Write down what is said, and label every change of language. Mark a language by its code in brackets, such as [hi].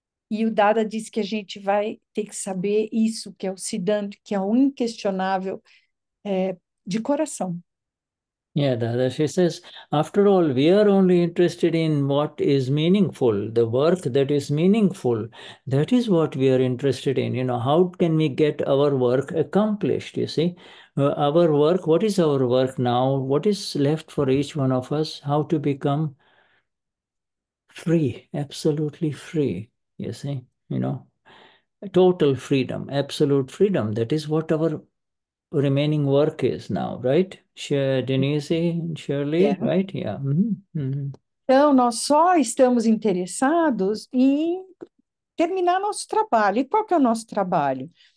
[pt] E o Dada diz que a gente vai ter que saber isso, que é o Siddhant, que é o inquestionável, de coração. [en] Yeah, Dada, she says, after all, we are only interested in what is meaningful, the work that is meaningful. That is what we are interested in. How can we get our work accomplished? You see, our work, what is our work now? What is left for each one of us? How to become free, absolutely free, you see, total freedom, absolute freedom. That is what our remaining work is now, right? Denise and Yeah. Shirley, right? Yeah. [pt] Então, nós só estamos interessados em terminar nosso trabalho. E qual que é o nosso trabalho?